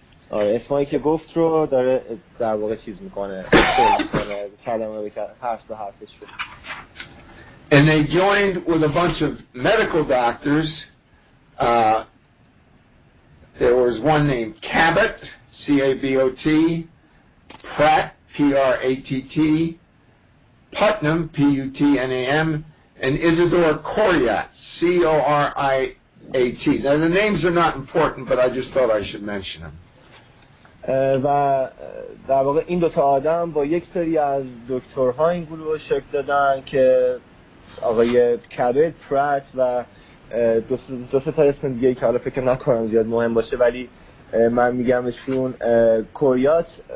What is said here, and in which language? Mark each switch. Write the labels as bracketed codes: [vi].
[fa] آره، اسمایی که گفت رو داره در واقع چیز میکنه، کلمه به حرف به حرفش رو. [en] And they joined with a bunch of medical doctors, There was one named Cabot, C-A-B-O-T, Pratt, P-R-A-T-T, Putnam, P-U-T-N-A-M, and Isidore Coriat, C-O-R-I-A-T. Now, the names are not important, but I just thought I should mention them. [fa] و در واقع این دوتا آدم با یک سری از دکترها این گروه رو شکل دادن که آقای کبت، پرات و دوست تا اسم دیگه که حالا فکر نکنم زیاد مهم باشه ولی من میگم اشون کوریات